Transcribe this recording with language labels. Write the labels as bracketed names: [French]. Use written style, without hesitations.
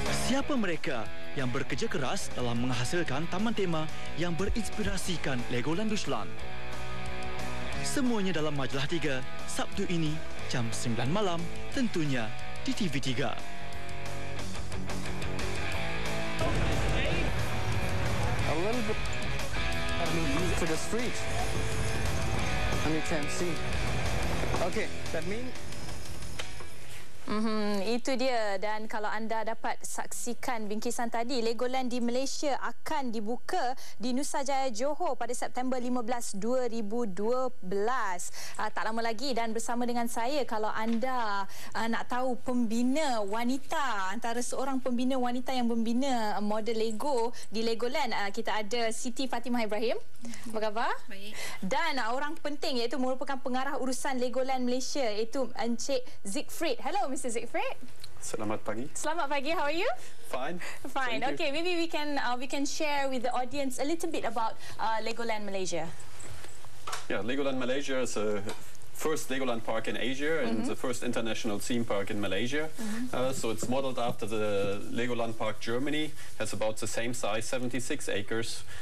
[Malay] Siapa mereka yang bekerja keras dalam menghasilkan taman tema yang berinspirasikan Legoland Deutschland? Semuanya dalam Majalah 3, Sabtu ini, jam 9 malam, tentunya di TV3. [English] A little bit for the street. And you can see. Okay, that means... [Malay] Itu dia. Dan kalau anda dapat saksikan bingkisan tadi, Legoland di Malaysia akan dibuka di Nusa Jaya Johor pada September 15, 2012. Tak lama lagi. Dan bersama dengan saya, kalau anda nak tahu pembina wanita, antara seorang pembina wanita yang membina model Lego di Legoland, kita ada Siti Fatimah Ibrahim. Apa khabar? Baik. Dan orang penting iaitu merupakan pengarah urusan Legoland Malaysia, iaitu Encik Siegfried. [English] Hello, Mr. Siegfried. [Malay] Selamat pagi. Selamat pagi. [English] How are you? Fine. Okay, maybe we can share with the audience a little bit about Legoland Malaysia. Yeah, Legoland Malaysia is a first Legoland park in Asia and the first international theme park in Malaysia. So it's modeled after the Legoland Park Germany. Has about the same size, 76 acres.